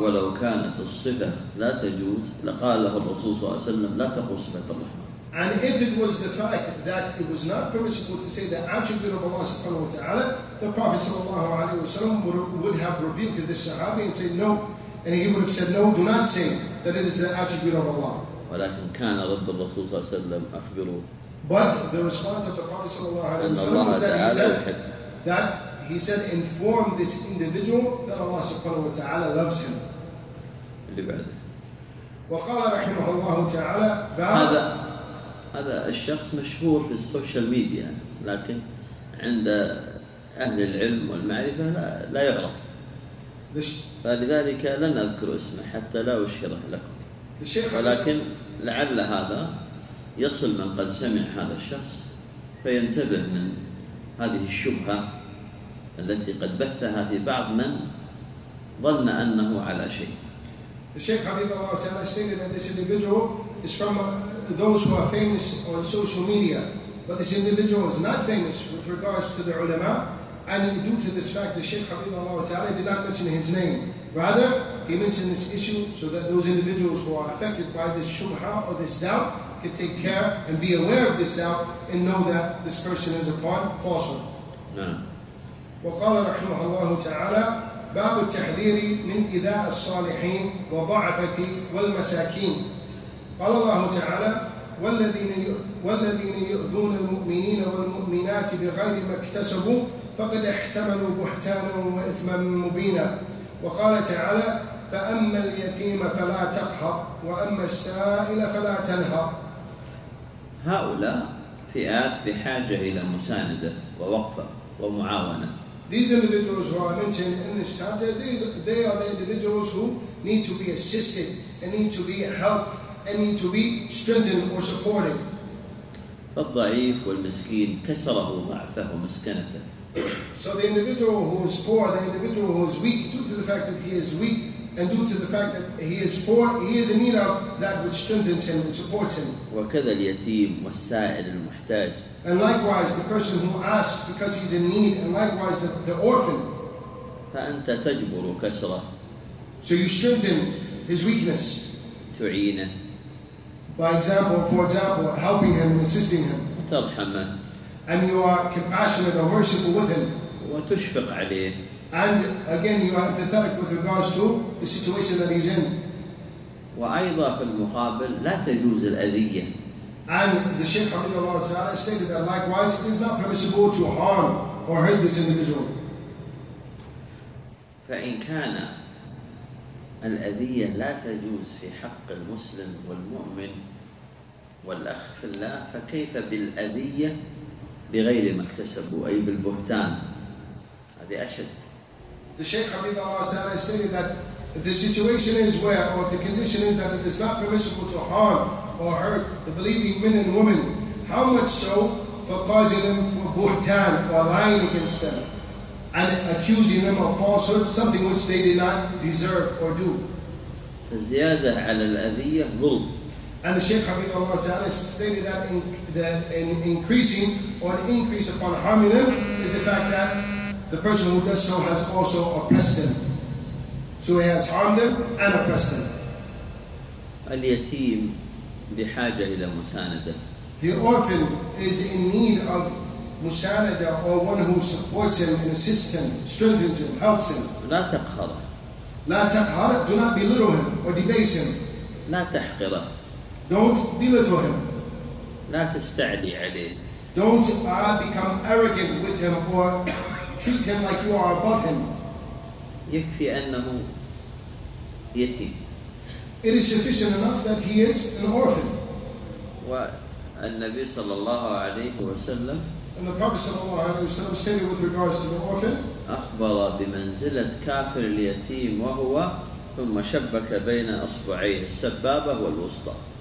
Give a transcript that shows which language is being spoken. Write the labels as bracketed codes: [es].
[ar] ولو كانت الصفة لا تجوز لقال له الرسول صلى الله عليه وسلم لا تقول صفة الرحمن. [en] And if it was the fact that it was not permissible to say the attribute of Allah Subhanahu wa Ta'ala, the Prophet sallallahu alaihi wasallam would have rebuked this Sahabi and said no, and he would have said no, do not say that it is the attribute of Allah. [ar] ولكن كان رد الرسول صلى الله عليه وسلم أخبره. [en] But the response of the Prophet صلى الله عليه وسلم was that he said, inform this individual that Allah سبحانه وتعالى loves him. [ar] اللي بعده. وقال رحمه الله تعالى. هذا الشخص مشهور في السوشيال ميديا لكن عند أهل العلم والمعرفة لا يعرف. فلذلك لن أذكر اسمه حتى لا أشهره لكم. ولكن لعل هذا يصل من قد سمع هذا الشخص فينتبه من هذه الشبهة التي قد بثها في بعض من ظن أنه على شيء. [en] The Shaykh Hafidh Allah Ta'ala stated that this individual is from those who are famous on social media, but this individual is not famous with regards to the ulama, and due to this fact the Shaykh Hafidh Allah Ta'ala did not mention his name. Rather, he mentioned this issue so that those individuals who are affected by this shubha or this doubt can take care and be aware of this doubt and know that this person is upon falsehood. [ar] وقال رحمه الله تعالى باب التحذير من إذاء الصالحين وضعفة والمساكين. قال الله تعالى والذين يؤذون المؤمنين والمؤمنات بغير ما اكتسبوا فقد احتملوا بهتانا وإثما مبينا. وقال تعالى فأما اليتيم فلا تقهر وأما السائل فلا تنهر. هؤلاء فئات بحاجة إلى مساندة ووقفة ومعاونة. [en] These individuals who are mentioned in this chapter, they are the individuals who need to be assisted and need to be helped and need to be strengthened or supported. [ar] فالضعيف والمسكين كسره ضعفه ومسكنته. [en] So the individual who is poor, the individual who is weak, due to the fact that he is weak, and due to the fact that he is poor, he is in need of that which strengthens him and supports him. [ar] وكذا اليتيم والسائل المحتاج. [en] And likewise, the person who asks because he's in need, and likewise, the orphan. [ar] فأنت تجبر كسره. [en] So you strengthen his weakness. [ar] تعينه. [en] For example, helping him and assisting him. [ar] ترحمه. [en] And you are compassionate or merciful with him. [ar] وتشفق عليه. [en] And again, you are empathetic with regards to the situation that he's in. [ar] وأيضا في المقابل لا تجوز الأذية. [en] And the Shaykh Hafidh Allah Ta'ala stated that likewise, it is not permissible to harm or hurt this individual. [ar] فإن كان الأذية لا تجوز في حق المسلم والمؤمن والأخ في الله فكيف بالأذية بغير ما اكتسبوا أي بالبهتان؟ هذه أشد. [en] The Shaykh Hafidhullah Ta'ala is saying that if the situation is where, or the condition is that it is not permissible to harm or hurt the believing men and women, how much so for causing them for buhtan, or lying against them, and accusing them of falsehood, something which they did not deserve or do. [ar] زيادة على الأذية ظلم. [en] And the Shaykh Hafidhullah Ta'ala stated that increasing or an increase upon harming them is the fact that the person who does so has also oppressed them. So he has harmed them and oppressed them. [ar] اليتيم بحاجة إلى مساندة. [en] The orphan is in need of مساندة, or one who supports him and assists him, strengthens him, helps him. [ar] لا تقهر. لا تقهر. [en] Do not belittle him or debase him. [ar] لا تحقره. [en] Don't belittle him. [ar] لا تستعدي عليه. [en] Don't become arrogant with him or treat him like you are above him. [ar] يكفي أنه يتيم. [en] It is sufficient enough that he is an orphan. [ar] والنبي صلى الله عليه وسلم. [en] And the Prophet صلى الله عليه وسلم stated with regards to the orphan. [ar] أخبر بمنزلة كافر اليتيم وهو ثم شبك بين أصبعيه السبابة والوسطى.